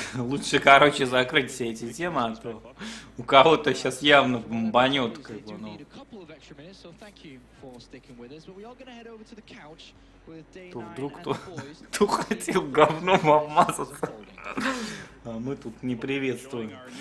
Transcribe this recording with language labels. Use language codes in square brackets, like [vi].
[ru] Лучше, короче, закрыть все эти темы, а то у кого-то сейчас явно бомбанет, как бы, ну. [en] Need a couple of extra minutes, so thank you for sticking with us. But we are going to head over to the couch. [ru] То вдруг кто хотел говном обмазаться, а мы тут не приветствуем.